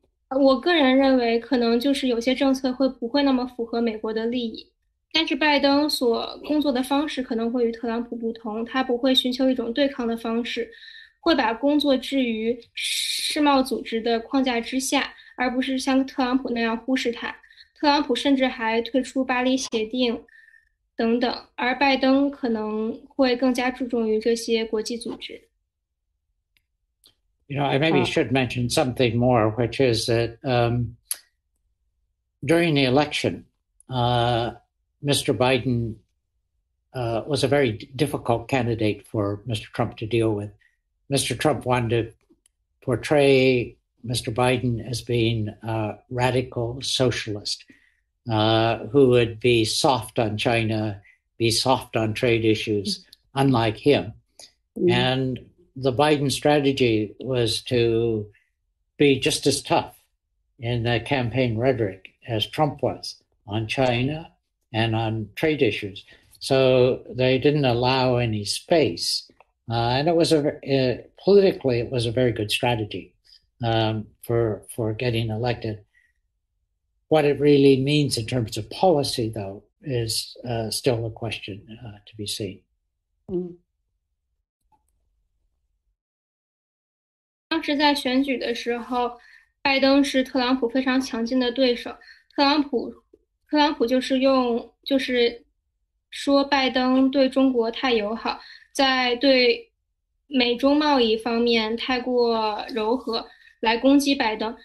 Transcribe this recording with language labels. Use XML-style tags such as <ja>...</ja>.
<zh>我个人认为可能就是有些政策会不会那么符合美国的利益，但是拜登所工作的方式可能会与特朗普不同，他不会寻求一种对抗的方式，会把工作置于世贸组织的框架之下，而不是像特朗普那样忽视它。特朗普甚至还退出巴黎协定等等，而拜登可能会更加注重于这些国际组织。</zh> <en>You know, I maybe should mention something more, which is that during the election, Mr. Biden was a very difficult candidate for Mr. Trump to deal with. Mr. Trump wanted to portray Mr. Biden as being a radical socialist, who would be soft on China, be soft on trade issues, unlike him. And the Biden strategy was to be just as tough in the campaign rhetoric as Trump was on China and on trade issues. So they didn't allow any space. And it was politically, it was a very good strategy for getting elected. What it really means in terms of policy, though, is still a question to be seen.</en> <zh>当时在选举的时候，拜登是特朗普非常强劲的对手。特朗普就是用，就是说拜登对中国太友好，在对美中贸易方面太过柔和，来攻击拜登。</zh>